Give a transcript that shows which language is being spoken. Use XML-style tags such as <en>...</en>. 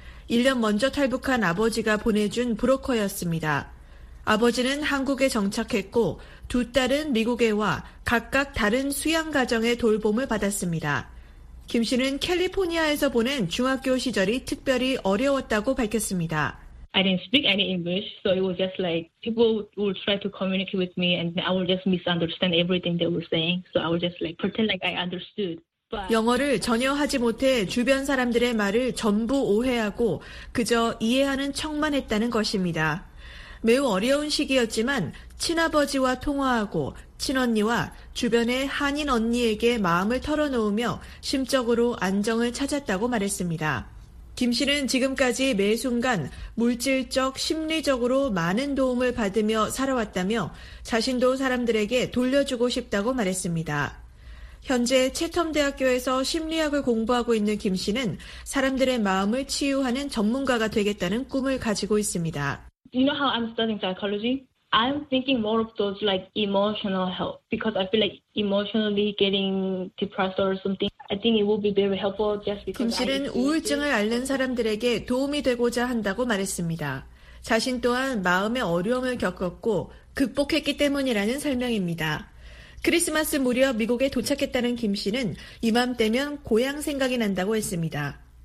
<ko>1년 먼저 탈북한 아버지가 보내준 브로커였습니다. 아버지는 한국에 정착했고 두 딸은 미국에 와 각각 다른 수양 가정의 돌봄을 받았습니다. 김 씨는 캘리포니아에서 보낸 중학교 시절이 특별히 어려웠다고 밝혔습니다.</ko> <en>I didn't speak any English, so it was just like people would try to communicate with me and I would just misunderstand everything they were saying. So I would just like pretend like I understood.</en> <ko>영어를 전혀 하지 못해 주변 사람들의 말을 전부 오해하고 그저 이해하는 척만 했다는 것입니다. 매우 어려운 시기였지만 친아버지와 통화하고 친언니와 주변의 한인 언니에게 마음을 털어놓으며 심적으로 안정을 찾았다고 말했습니다. 김 씨는 지금까지 매 순간 물질적, 심리적으로 많은 도움을 받으며 살아왔다며 자신도 사람들에게 돌려주고 싶다고 말했습니다. 현재 채텀대학교에서 심리학을 공부하고 있는 김 씨는 사람들의 마음을 치유하는 전문가가 되겠다는 꿈을 가지고 있습니다.</ko> <en>You know how I'm studying psychology? I'm thinking more of those like emotional help because I feel like emotionally getting depressed or something. I think it will be very helpful just because</en> <ko>김 씨는 우울증을 앓는 사람들에게 도움이 되고자 한다고 말했습니다. 자신 또한 마음의 어려움을 겪었고 극복했기 때문이라는 설명입니다. 크리스마스 무렵 미국에 도착했다는 김 씨는 이맘때면 고향 생각이 난다고 했습니다.</ko>